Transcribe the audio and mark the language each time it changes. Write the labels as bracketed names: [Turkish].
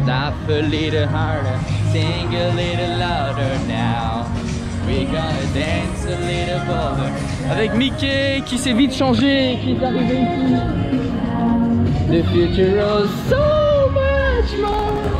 [English] Tap a little harder, sing a little louder now. We gonna dance a little further. [French] Avec Mickey qui s'est vite changé, qui est arrivé ici. [English] The future is so much more.